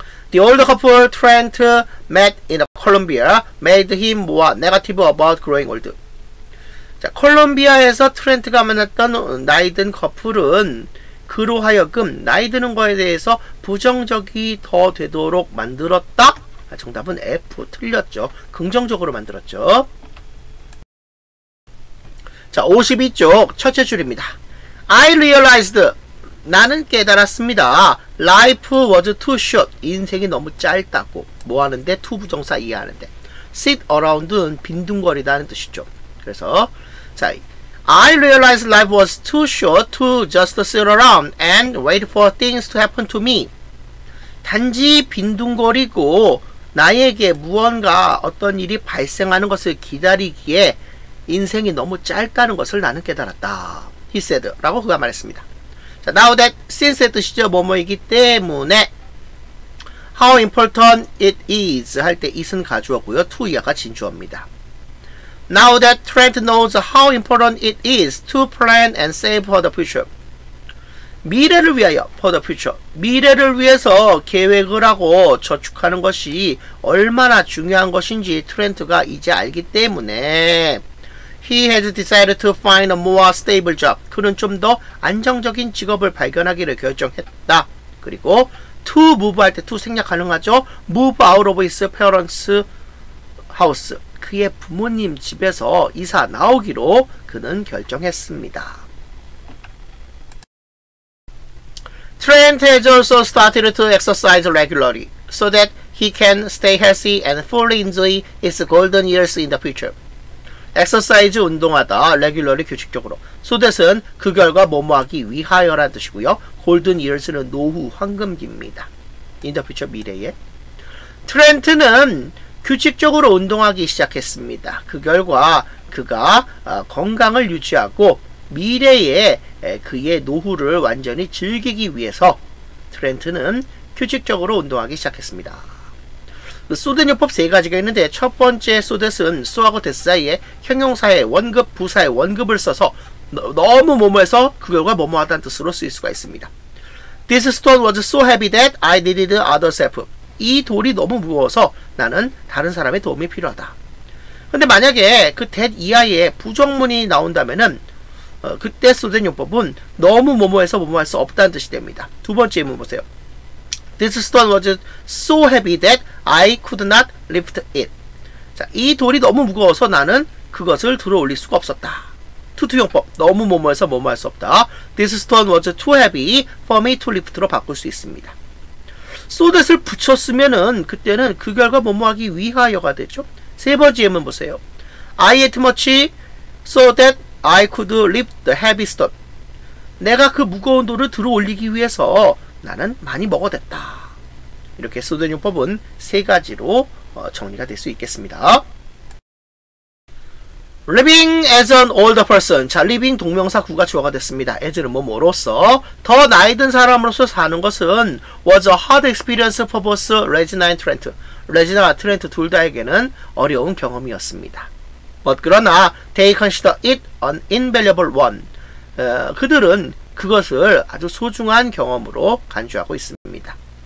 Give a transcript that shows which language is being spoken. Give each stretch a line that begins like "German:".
English: The old couple Trent met in Columbia made him more negative about growing old.
Korean: 자, 콜롬비아에서 트렌트가 만났던 나이든 커플은 그로 하여금 나이 드는 거에 대해서 부정적이 더 되도록 만들었다? 아, 정답은 F, 틀렸죠. 긍정적으로 만들었죠. 자, 52쪽 첫째 줄입니다.
English: I realized.
Korean: 나는 깨달았습니다.
English: Life was too short.
Korean: 인생이 너무 짧다고. 뭐 하는데? 투 부정사 이해하는데.
English: Sit around은
Korean: 빈둥거리다는 뜻이죠. 그래서 자,
English: I realized life was too short to just sit around and wait for things to happen to me.
Korean: 단지 빈둥거리고 나에게 무언가 어떤 일이 발생하는 것을 기다리기에 인생이 너무 짧다는 것을 나는 깨달았다.
English: He said
Korean: 라고 그가 말했습니다. 자, now that, since의 뜻이죠. 뭐뭐이기 때문에. How important it is 할 때 is은 가주어고요. to 이하가 진주어입니다.
English: Now that Trent knows how important it is to plan and save for the future.
Korean: 미래를 위하여, for the future. 미래를 위해서 계획을 하고 저축하는 것이 얼마나 중요한 것인지 트렌트가 이제 알기 때문에
English: He has decided to find a more stable job.
Korean: 그는 좀 더 안정적인 직업을 발견하기를 결정했다. 그리고 to move 할 때 to 생략 가능하죠.
English: Move out of his parents' house.
Korean: 그의 부모님 집에서 이사 나오기로 그는 결정했습니다.
English: Trent has also started to exercise regularly so that he can stay healthy and fully enjoy his golden years in the future.
Korean: Exercise 운동하다, regularly 규칙적으로. So that은 그 결과 뭐뭐하기 위하여라는 뜻이고요. Golden years는 노후 황금기입니다. In the future 미래에. Trent는 규칙적으로 운동하기 시작했습니다. 그 결과 그가 건강을 유지하고 미래에 그의 노후를 완전히 즐기기 위해서 트렌트는 규칙적으로 운동하기 시작했습니다. 그 소댓 요법 세 가지가 있는데 첫 번째 소댓은 소하고 데스 사이에 형용사의 원급, 부사의 원급을 써서 너무 뭐뭐해서 그 결과 뭐뭐하다는 뜻으로 쓰일 수가 있습니다.
English: This stone was so heavy that I needed other help.
Korean: 이 돌이 너무 무거워서 나는 다른 사람의 도움이 필요하다. 근데 만약에 그 that 이하에 부정문이 나온다면은 그때 쓰던 용법은 너무 뭐뭐해서 뭐뭐할 수 없다는 뜻이 됩니다. 두 번째 예문 보세요.
English: This stone was so heavy that I could not lift it.
Korean: 자, 이 돌이 너무 무거워서 나는 그것을 들어 올릴 수가 없었다. 투투 용법. 너무 뭐뭐해서 뭐뭐할 수 없다.
English: This stone was too heavy for me to lift로
Korean: 바꿀 수 있습니다. 소댓을 붙였으면은 그때는 그 결과 뭐뭐하기 위하여가 되죠. 세 번째 예문 보세요.
English: I ate much so that I could lift the heavy stone.
Korean: 내가 그 무거운 돌을 들어 올리기 위해서 나는 많이 먹어댔다. 이렇게 소댓 용법은 세 가지로 정리가 될 수 있겠습니다.
English: Living as an older person.
Korean: 자, living 동명사 구가 주어가 됐습니다.
English: as는
Korean: 뭐뭐로서 더 나이 든 사람으로서 사는 것은
English: was a hard experience for both Regina and Trent.
Korean: Regina와 Trent 둘 다에게는 어려운 경험이었습니다.
English: But
Korean: 그러나
English: they consider it an invaluable one.
Korean: 그들은 그것을 아주 소중한 경험으로 간주하고 있습니다.